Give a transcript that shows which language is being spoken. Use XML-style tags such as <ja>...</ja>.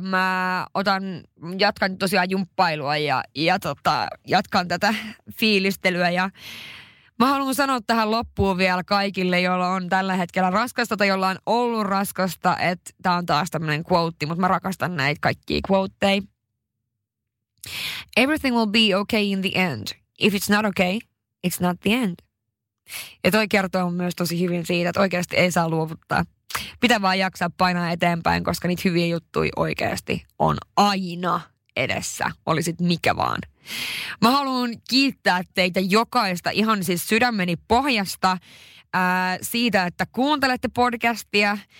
<fi>Mä jatkan tosiaan jumppailua ja jatkan tätä fiilistelyä ja mä haluan sanoa tähän loppuun vielä kaikille, joilla on tällä hetkellä raskasta tai joilla on ollut raskasta, että tää on taas tämmönen quote, mutta mä rakastan näitä kaikkia quoteja.</fi> <en>Everything will be okay in the end. If it's not okay, it's not the end.</en> <fi>Ja toi kertoo myös tosi hyvin siitä, että oikeasti ei saa luovuttaa. Pitää vaan jaksaa painaa eteenpäin, koska niitä hyviä juttuja oikeasti on aina edessä, olisit mikä vaan. Mä haluan kiittää teitä jokaista ihan siis sydämeni pohjasta siitä, että kuuntelette podcastia.</fi>